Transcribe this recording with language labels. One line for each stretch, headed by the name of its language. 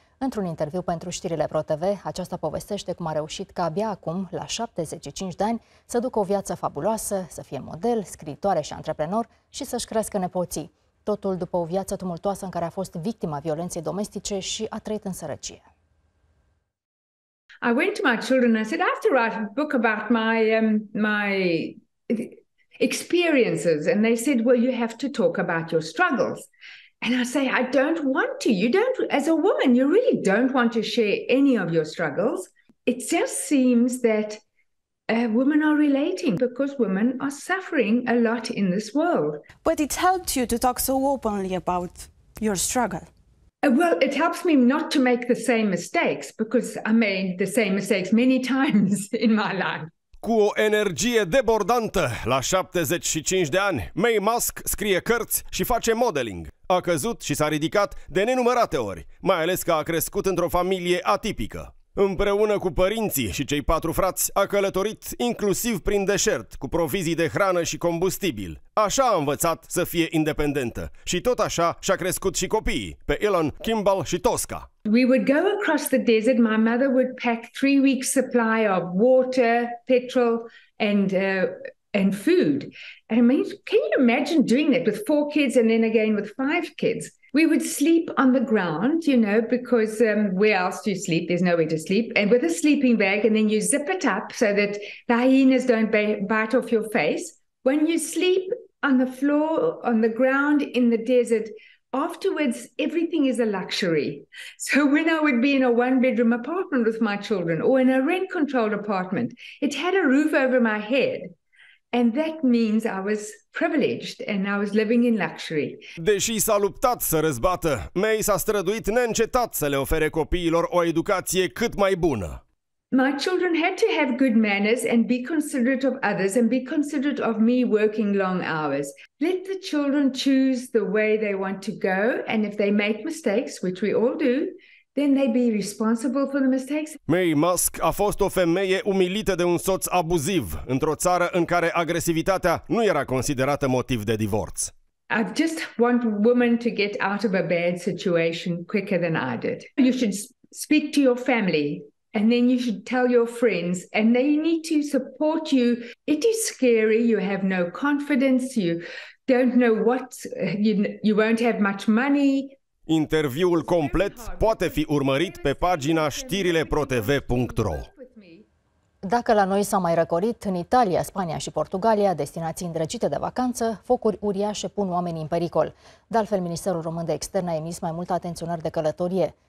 Romanian: Într-un interviu pentru știrile ProTV, aceasta povestește cum a reușit ca abia acum, la 75 de ani, să ducă o viață fabuloasă, să fie model, scriitoare și antreprenor și să-și crească nepoții. Totul după o viață tumultoasă în care a fost victima violenței domestice și a trăit în sărăcie.
English: I went to my children and I said, I have to write a book about my experiences. And they said, well, you have to talk about your struggles. And I say, I don't want to. You don't, as a woman, you really don't want to share any of your struggles. It just seems that women are relating because women are suffering a lot in this world. But it helped you to talk so openly about your struggle. Well, it helps me not to make the same mistakes, because I made the same mistakes many times in my life.
Romanian: Cu o energie debordantă, la 75 de ani, May Musk scrie cărți și face modeling. A căzut și s-a ridicat de nenumărate ori, mai ales că a crescut într-o familie atipică. Împreună cu părinții și cei 4 frați, a călătorit inclusiv prin deșert, cu provizii de hrană și combustibil. Așa a învățat să fie independentă și tot așa și-a crescut și copiii, pe Elon, Kimball și Tosca.
English: We would go across the desert, my mother would pack 3 weeks supply of water, petrol and food. And I mean, can you imagine doing that with 4 kids and then again with 5 kids? We would sleep on the ground, you know, because where else do you sleep? There's nowhere to sleep. And with a sleeping bag, and then you zip it up so that the hyenas don't bite off your face. When you sleep on the floor, on the ground, in the desert, afterwards, everything is a luxury. So when I would be in a one-bedroom apartment with my children or in a rent-controlled apartment, it had a roof over my head. And that means I was privileged and I was living in luxury.
Romanian: Deși s-a luptat să răzbată, May s-a străduit neîncetat să le ofere copiilor o educație cât mai bună.
English: My children had to have good manners and be considerate of others and be considerate of me working long hours. Let the children choose the way they want to go, and if they make mistakes, which we all do, then they be responsible for the mistakes.
Romanian: May Musk a fost o femeie umilită de un soț abuziv într-o țară în care agresivitatea nu era considerată motiv de divorț.
English: I just want women to get out of a bad situation quicker than I did. You should speak to your family. And then you should tell your friends, and they need to support you. It is scary. You have no confidence. You don't know what you won't have much money.
Romanian: Interviul complet poate fi urmărit pe pagina știrileprotv.ro. Dacă la noi s-a mai răcorit, în Italia, Spania și Portugalia, destinații îndrăgite de vacanță, focuri uriașe pun oamenii în pericol. De altfel, Ministerul Român de Externe a emis mai multe atenționări de călătorie.